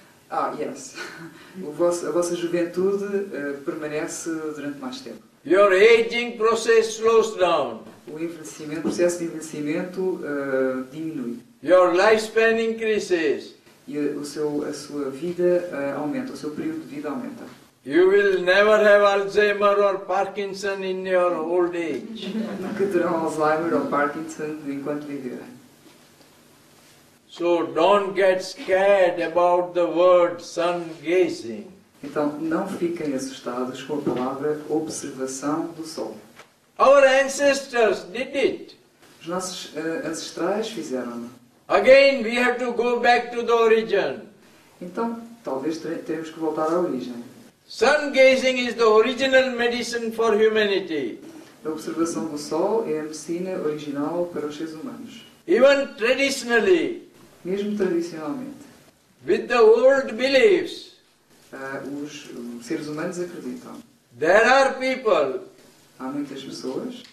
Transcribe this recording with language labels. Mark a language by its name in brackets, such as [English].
[English] Ah, yes. [Portuguese] A vossa juventude permanece durante mais tempo. [English] Your aging process slows down. [Portuguese] O processo de envelhecimento diminui. [English] Your lifespan increases. [Portuguese] E a sua vida aumenta, o seu período de vida aumenta. [English] You will never have Alzheimer or Parkinson in your old age. [Portuguese] Nunca terão Alzheimer ou Parkinson enquanto viverem. [English] So don't get scared about the word sun gazing. [Portuguese] Então não fiquem assustados com a palavra observação do sol. [English] Our ancestors did it. [Portuguese] Os nossos ancestrais fizeram-no. [English] Again we have to go back to the origin. [Portuguese] Então talvez temos que voltar à origem. [English] Sun gazing is the original medicine for humanity. [Portuguese] A observação do sol é a medicina original para os seres humanos. [English] Even traditionally, [Portuguese] mesmo tradicionalmente, [English] with the old beliefs, [Portuguese] os seres humanos acreditam. [English] There are people, [Portuguese] há muitas pessoas,